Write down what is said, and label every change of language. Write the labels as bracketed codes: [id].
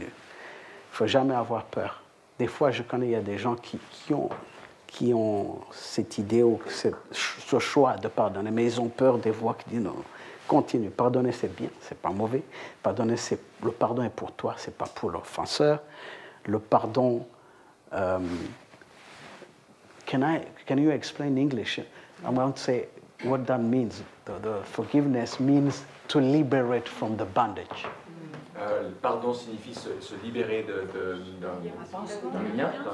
[fr] Il ne faut jamais avoir peur. Des fois, je connais, il y a des gens qui ont cette idée ou ce choix de pardonner, mais ils ont peur des voix qui disent non. Continue, pardonner c'est bien, c'est pas mauvais. Pardonner, le pardon est pour toi, c'est pas pour l'offenseur. Le pardon, [en] can you explain English? I want to say, what that means. The forgiveness means to liberate from the bondage. [fr] Le pardon signifie se libérer d'un lien,